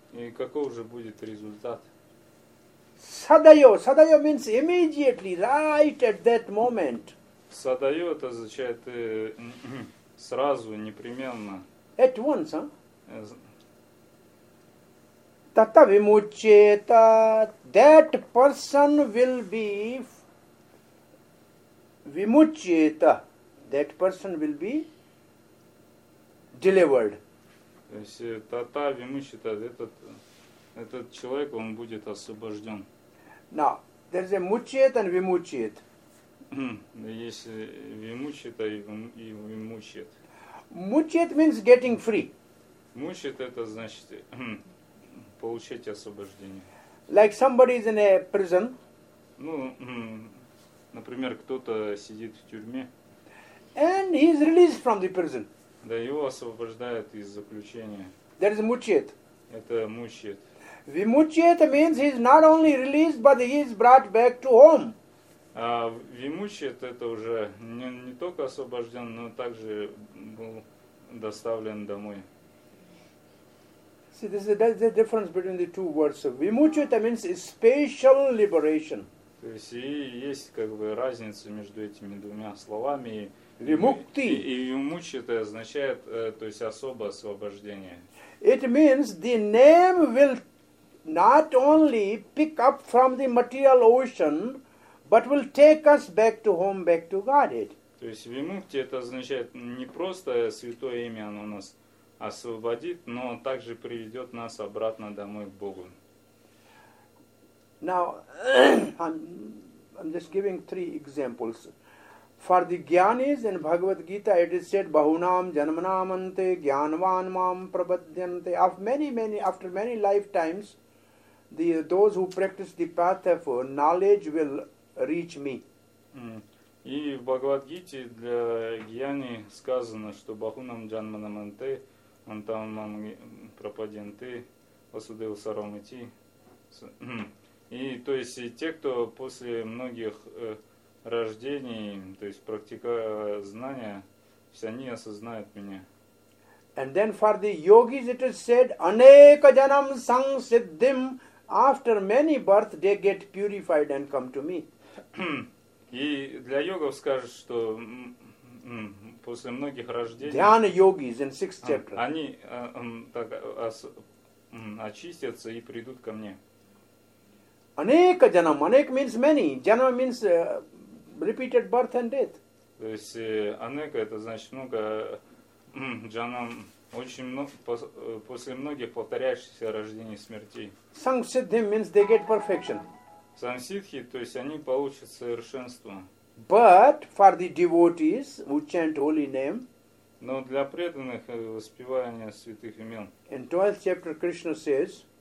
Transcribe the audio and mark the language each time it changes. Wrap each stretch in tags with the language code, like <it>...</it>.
<ru>И каков же будет результат?</ru> <sa>Sadayo.</sa> <en>Sadayo means immediately, right at that moment.</en> <ru>Sadayo это означает сразу, непременно.</ru> <en>At once, huh?</en> <sa>Tata vimucheta,</sa> <en>that person will be vimucheta, that person will be delivered.</en> <ru>То есть,</ru> <sa>tata vimucheta,</sa> <ru>этот человек, он будет освобожден.</ru> <en>Now, there is a mucheta and vimucheta.</en> <ru>Есть vimucheta и vimucheta.</ru> <en>Mucheta means getting free.</en> <ru>Mucheta, это значит получить освобождение.</ru> <en>Like somebody is in a prison.</en> <ru>Ну, например, кто-то сидит в тюрьме.</ru> <en>And he is released from the prison.</en> <ru>Да, его освобождают из заключения.</ru> <en>There is a mucchet.</en> <ru>Это mucchet.</ru> <en>Vimucchet means he is not only released, but he is brought back to home.</en> <ru>А vimucchet это уже не только освобожден, но также был доставлен домой.</ru> <en>See, this is the difference between the two words. Vimucheta means special liberation.</en> <ru>То есть, и есть как бы разница между этими двумя словами.</ru> <sa>Vimukti.</sa> <ru>И vimucheta означает, то есть, особое освобождение.</ru> <en>It means the name will not only pick up from the material ocean, but will take us back to home, back to Godhead.</en> <ru>То есть, vimukti это означает не просто святое имя, оно у нас освободит, но также приведет нас обратно домой к Богу.</ru> <en>Now, I'm just giving three examples. For the jnanis in Bhagavad Gita, it is said,</en> <sa>Bahunam janmanamante jnanvanmam prabadhyante.</sa> <en>After many lifetimes, those who practice the path of knowledge will reach me.</en> <ru>И в Бхагавад Гите для гьяни сказано, что</ru> <sa>Бахунам джанманаманте он там пропаденты посудил сарамати.</sa> <ru>И то есть те, кто после многих рождений, то есть практикуя знания, все они осознают меня.</ru> <en>And then for the yogis it is said,</en> <sa>Aneka janam sang siddhim,</sa> <en>after many births they get purified and come to me.</en> <ru>И для йогов скажут, что после многих рождений</ru> <en>Dhyana yogis in sixth chapter.</en> <ru>Они так очистятся и придут ко мне.</ru> <en>Anek janam, anek means many. Janam means repeated birth and death.</en> <ru>То есть анека это значит много, джанам очень много, после многих повторяющихся рождений и смертей.</ru> <en>Sangsiddhi means they get perfection.</en> <ru>Сангсиддхи, то есть они получат совершенство.</ru> <en>But for the devotees who chant holy name.</en> <ru>Но для преданных воспевание святых имен.</ru> <en>In 12th chapter Krishna says.</en>